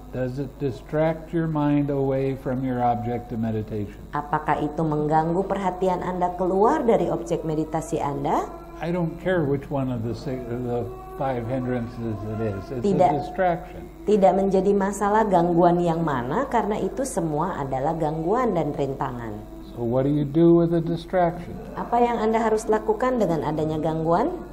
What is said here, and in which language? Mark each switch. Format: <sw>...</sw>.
<en>Does it distract your mind away from your object of meditation?</en> <id>Apakah itu mengganggu perhatian Anda keluar dari objek meditasi Anda?</id> <en>I don't care which one of the five hindrances it is. It's a distraction.</en> <id>Tidak menjadi masalah gangguan yang mana, karena itu semua adalah gangguan dan rintangan.</id> <en>So what do you do with a distraction?</en> <id>Apa yang Anda harus lakukan dengan adanya gangguan?</id>